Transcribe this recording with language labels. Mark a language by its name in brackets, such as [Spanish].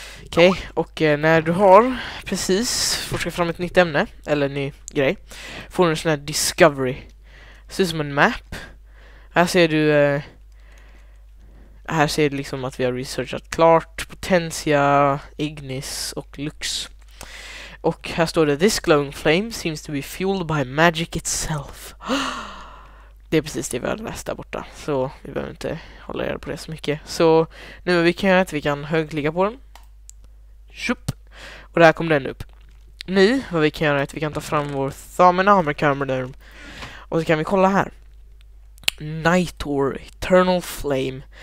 [Swedish] Okej, och när du har precis forskat fram ett nytt ämne, eller ny grej, får du en sån här discovery. Det ser ut som en map. Här ser du liksom att vi har researchat klart Potentia, Ignis och lux. Och här står det, [English] this glowing flame seems to be fueled by magic itself. [Swedish] Det är precis det vi hade läst där borta. Så vi behöver inte hålla reda på det så mycket. Så nu är vi kan göra att vi kan högklicka på den. Shup. Och där kom den upp. Nu vad vi kan göra är att vi kan ta fram vår Thumb and Armor Camera. Och så kan vi kolla här. Nightor, Eternal Flame.